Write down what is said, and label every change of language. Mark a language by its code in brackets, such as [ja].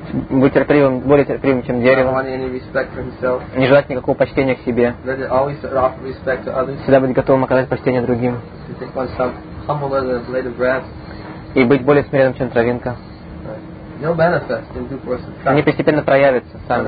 [ru] Быть терпеливым, более терпеливым, чем дерево. [en] Not wanting any respect for himself. [ru] Не желать никакого почтения к себе. [en] Ready to always offer respect to others. [ru] Всегда быть готовым оказать почтение другим. [en] To take one some humbler than a blade of grass. [ru] И быть более смиренным, чем травинка. [en] They'll manifest in due course of time. [ru] Они постепенно проявятся сами.